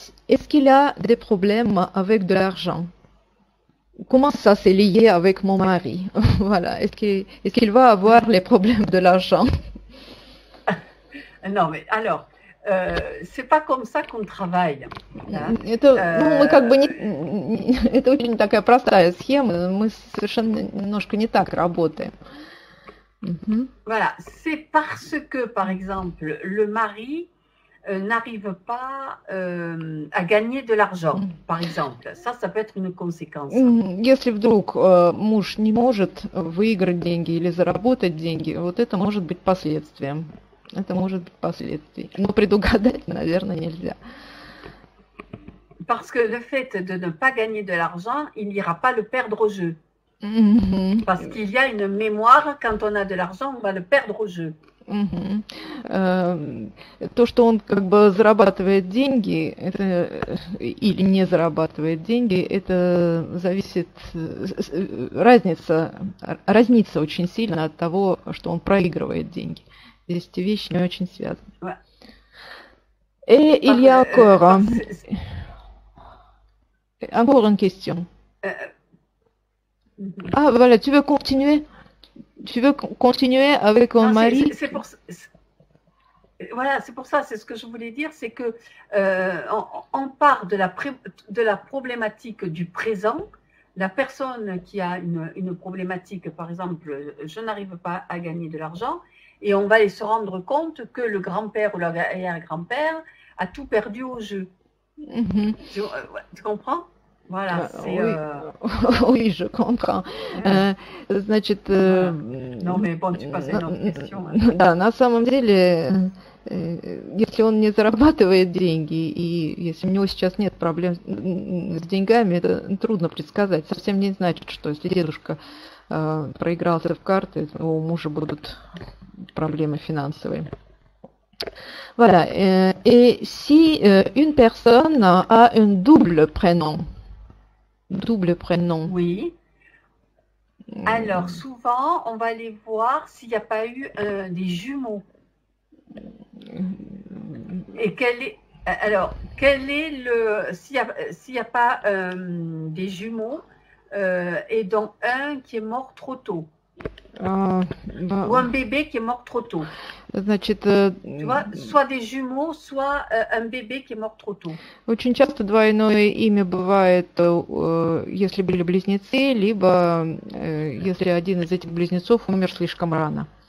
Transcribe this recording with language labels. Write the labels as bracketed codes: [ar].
[fr] Est-ce qu'il a des problèmes avec de l'argent? Comment ça s'est lié avec mon mari? Voilà, est-ce qu'il va avoir les problèmes de l'argent? Non, mais alors, c'est pas comme ça qu'on travaille. Hein? [ru] Это, ну, как бы не, это очень такая простая схема, мы совершенно немножко не так работаем. [fr] Voilà, c'est parce que, par exemple, le mari n'arrive pas à gagner de l'argent, par exemple. Ça peut être une conséquence. [ru] Если вдруг муж не может выиграть деньги или заработать деньги, вот это может быть последствием. Это может быть последствием. Но предугадать, наверное, нельзя. [fr] Parce que le fait de ne pas gagner de l'argent, il n'ira pas le perdre au jeu. Parce qu'il y a une mémoire, quand on a de l'argent, on va le perdre au jeu. [ru] То, что он как бы зарабатывает деньги, это, или не зарабатывает деньги, это зависит, разница очень сильно от того, что он проигрывает деньги. Здесь эти вещи не очень связаны. [fr] Et il y a encore une question. Ah, voilà, tu veux continuer? Tu veux continuer avec ton Non, mari? c'est pour, voilà, c'est pour ça, c'est ce que je voulais dire, c'est que on part de la problématique du présent. La personne qui a une problématique, par exemple, je n'arrive pas à gagner de l'argent, et on va aller se rendre compte que le grand-père ou l'arrière-grand-père a tout perdu au jeu. Tu comprends? Voilà, c'est. Oui, je comprends. [ru] Значит, [fr] Non, mais bon, tu passes une autre question. Hein. [ru] да, на самом деле, если он не зарабатывает деньги, и если у него сейчас нет проблем с деньгами, это трудно предсказать. Совсем не значит, что если дедушка проигрался в карты, то у мужа будут проблемы финансовые. [fr] Voilà. Et si une personne a un double prénom? Double prénom. Oui. Alors, souvent, on va aller voir s'il n'y a pas eu des jumeaux. Et quel est alors quel est le s'il y a pas des jumeaux et dont un qui est mort trop tôt ou un bébé qui est mort trop tôt. [ru] Значит, [fr] Tu vois, soit des jumeaux, soit un bébé qui est mort trop tôt. [ru] Очень часто двойное имя бывает, если были близнецы, либо если один из этих близнецов умер слишком рано.